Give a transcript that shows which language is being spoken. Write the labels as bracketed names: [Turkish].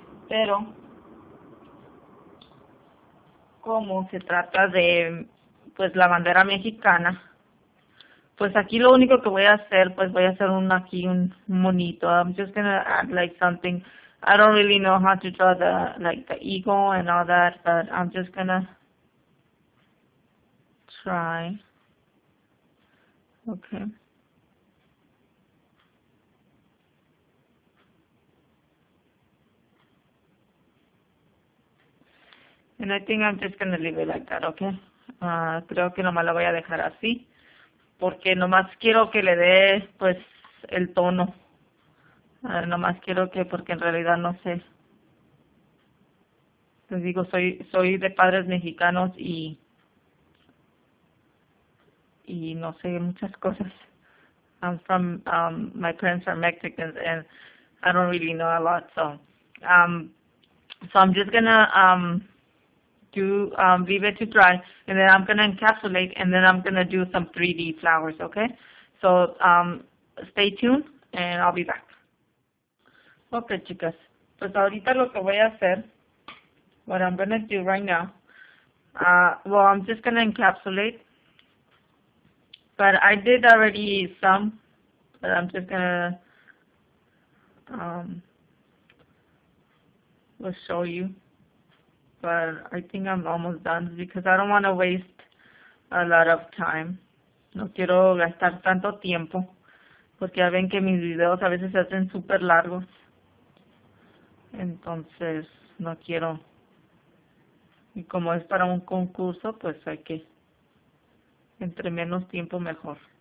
[Spanish] Pero, como se trata de, pues, la bandera mexicana, pues aquí lo único que voy a hacer, pues voy a hacer aquí un monito. [English] I'm just gonna add, like, something. I don't really know how to draw the, like, the eagle and all that, but I'm just gonna try. Okay. And I think I'm just going to leave it like that, okay? [Spanish] Creo que nomás la voy a dejar así, porque nomás quiero que le dé, pues, el tono. Nomás quiero que, porque en realidad no sé. Les digo, soy de padres mexicanos y no sé muchas cosas. [English] I'm from, my parents are Mexicans and I don't really know a lot, so I'm just gonna, leave it to dry, and then I'm gonna encapsulate, and then I'm gonna do some 3D flowers, okay? So, stay tuned, and I'll be back. Okay, chicas. [Spanish] Pues ahorita lo que voy a hacer, [English] what I'm gonna do right now, well, I'm just gonna encapsulate, but I did already some, but I'm just gonna, we'll show you. But I think I'm almost done because I don't want to waste a lot of time. [Spanish] No quiero gastar tanto tiempo porque ya ven que mis videos a veces se hacen súper largos. Entonces, no quiero. Y como es para un concurso, pues hay que. Entre menos tiempo, mejor.